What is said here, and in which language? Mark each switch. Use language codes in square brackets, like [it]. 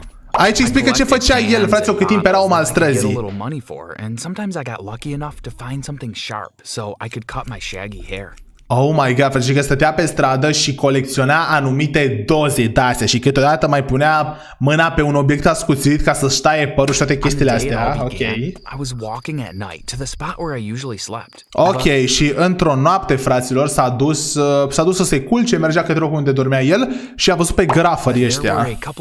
[ro] Aici explică ce făcea el, frate, cât timp era om al străzii. [en] And sometimes I got lucky enough to find something sharp so I could cut my shaggy hair. [ro] Oh my god, frate, că stătea pe stradă și colecționa anumite doze de astea și câteodată mai punea mâna pe un obiect ascuțit ca să-și taie părul și toate chestiile astea. Ok. [en] I was walking at night to the spot where I usually slept. [ro] Ok, și într-o noapte, fraților, s-a dus să se culce, mergea către locul unde dormea el și a văzut pe grafări ăștia.